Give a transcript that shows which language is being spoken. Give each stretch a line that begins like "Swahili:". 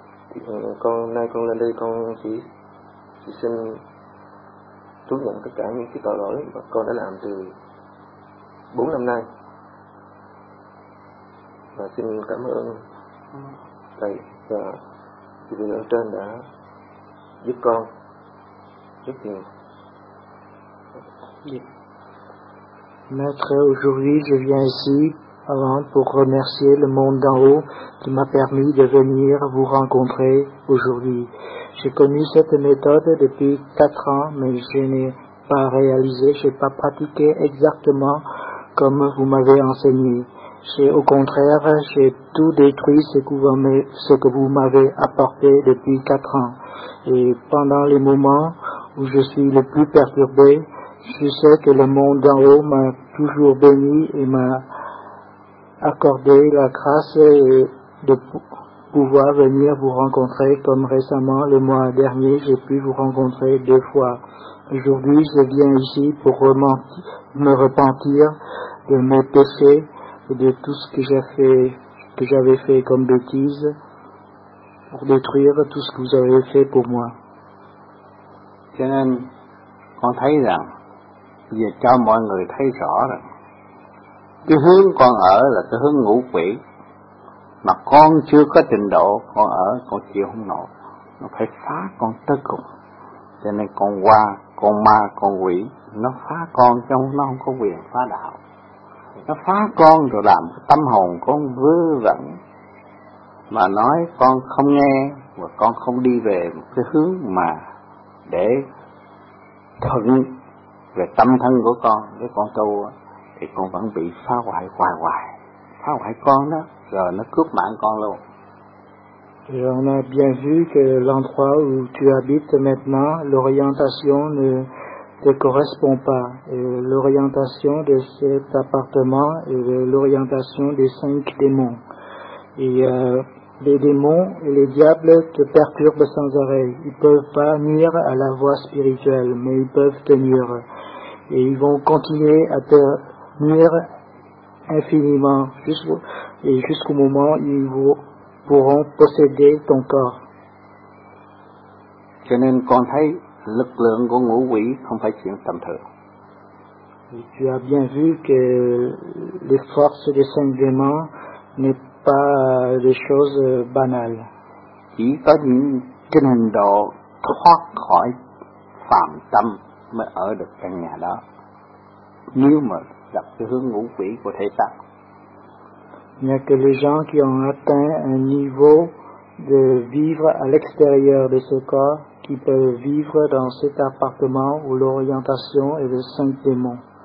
Vietnamese: Thì con nay con lên đây con chỉ xin thú nhận tất cả những cái tội lỗi mà con đã làm từ 4 năm nay. Và xin cảm ơn thầy và chị vị ở trên đã giúp con rất nhiều.
French: Maître, aujourd'hui je viens ici avant pour remercier le monde d'en haut qui m'a permis de venir vous rencontrer aujourd'hui. J'ai connu cette méthode depuis 4 ans, mais je n'ai pas réalisé, je n'ai pas pratiqué exactement comme vous m'avez enseigné. J'ai, au contraire, j'ai tout détruit ce que vous m'avez apporté depuis 4 ans. Et pendant les moments où je suis le plus perturbé, je sais que le monde d'en haut m'a toujours béni et m'a accordé la grâce de pouvoir venir vous rencontrer comme récemment, le mois dernier, j'ai pu vous rencontrer 2 fois. Aujourd'hui, je viens ici pour me repentir de mes péchés et de tout ce que j'ai fait, que j'avais fait comme bêtise, pour détruire tout ce que vous avez fait pour moi.
Vietnamese: Cho nên con thấy rằng, giờ cho mọi người thấy rõ rằng, cái hướng con ở là cái hướng ngũ quỷ, mà con chưa có trình độ, con ở con chịu không nổi, nó phải phá con tới cùng. Cho nên con qua, con ma, con quỷ, nó phá con, chứ nó không có quyền phá đạo. Nó phá con rồi làm tâm hồn con vớ vẩn, mà nói con không nghe, và con không đi về một cái hướng mà để thuận về tâm thân của con, để con tu, thì con vẫn bị phá hoại hoài hoài. Phá hoại con đó, rồi nó cướp mạng con luôn.
French: Et on a bien vu que l'endroit où tu habites maintenant, l'orientation ne te correspond pas. Et l'orientation de cet appartement est l'orientation des 5 démons. Et les démons et les diables te perturbent sans arrêt. Ils peuvent pas nuire à la voie spirituelle, mais ils peuvent te nuire. Et ils vont continuer à te nuire infiniment, jusqu'au moment où ils vont pourront posséder ton corps.
Vietnamese: Cho nên con thấy lực lượng của ngũ quỷ không phải chuyện tầm thường.
French: Tu as bien vu que les forces des 5 démons n'est pas des choses banales.
Vietnamese: Chỉ có những trình độ thoát khỏi phàm tâm mới ở được căn nhà đó. Nếu mà gặp cái hướng ngũ quỷ của thể xác.
French: Il n'y a que les gens qui ont atteint un niveau de vivre à l'extérieur de ce corps qui peuvent vivre dans cet appartement où l'orientation est de 5 démons.